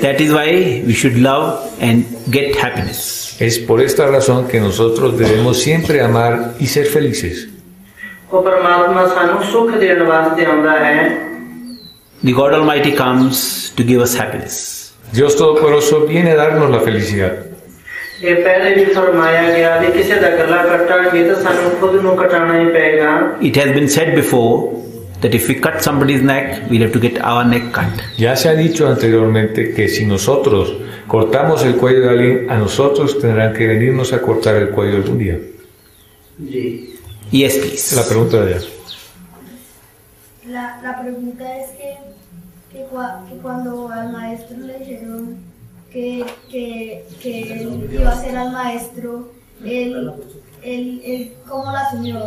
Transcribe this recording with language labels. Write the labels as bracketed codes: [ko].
[en] That is why we should love and get happiness. [es] Es por esta razón que nosotros debemos siempre amar y ser felices. [pa] O Parmatma sanu sukh den vaste aunda hai. [en] The God Almighty comes to give us happiness. [es] Dios Todopoderoso viene a darnos la felicidad. [hi] ये पहले भी फरमाया गया कि किसी का गला कटाएंगे तो [pa] सानू खुद नु [hi] कटाना ही पड़ेगा. [en] It has been said before that if we cut somebody's neck, we'll have to get our neck cut. [es] Ya se ha dicho anteriormente que si nosotros cortamos el cuello de alguien, a nosotros tendrán que venirnos a cortar el cuello algún día. Sí. [en] Yes, please. [es] La pregunta de Dios. La pregunta es que cuando al maestro le dijeron que él iba a ser al maestro, él ¿cómo la asumió?